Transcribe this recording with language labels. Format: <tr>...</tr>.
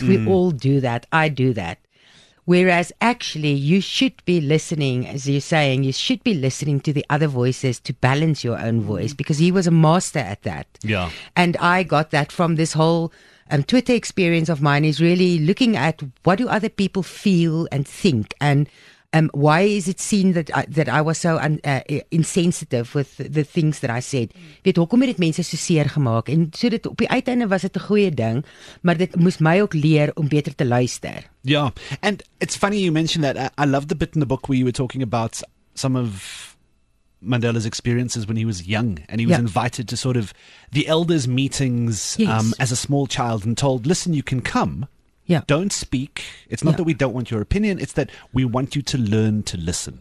<en>Mm. We all do that. I do that. Whereas actually you should be listening, as you're saying, you should be listening to the other voices to balance your own voice, because he was a master at that. Yeah. And I got that from this whole Twitter experience of mine, is really looking at what do other people feel and think, and why is it seen that I was so insensitive with the things that I said?</en> <af>Weet, hoekom het dit mense so seer gemaak? En so dit, op die uiteinde was dit 'n goeie ding, maar dit moes my ook leer om beter te luister.</af> <en>Yeah, and it's funny you mentioned that. I love the bit in the book where you were talking about some of Mandela's experiences when he was young, and he was invited to sort of the elders' meetings as a small child and told, listen, you can come, Yeah. Don't speak. It's not that we don't want your opinion. It's that we want you to learn to listen.</en>